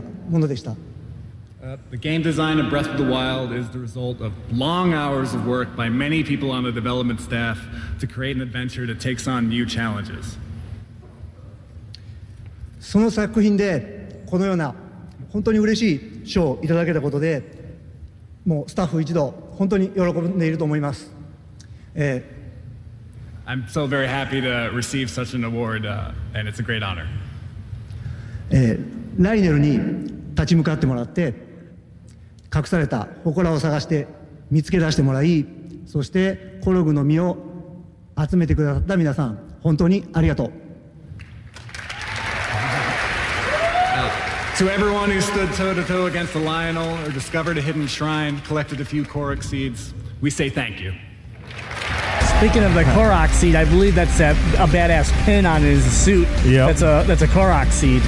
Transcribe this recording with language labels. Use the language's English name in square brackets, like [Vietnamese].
[English] The game design of Breath of the Wild is the result of long hours of work by many people on the development staff to create an adventure that takes on new challenges. [Japanese] その作品でこのような本当に嬉しい賞をいただけたことで、もうスタッフ一同本当に喜んでいると思います。 [English] I'm so very happy to receive such an award, and it's a great honor. [Japanese] ライネルに立ち向かってもらって、隠された祠を探して見つけ出してもらい、そしてコログの実を集めてくださった皆さん、本当にありがとう。 [English] To everyone who stood toe-to-toe against the Lionel or discovered a hidden shrine, collected a few Korok seeds, we say thank you. Speaking of the Korok seed, I believe that's a badass pin on his suit. Yep. That's a Korok seed.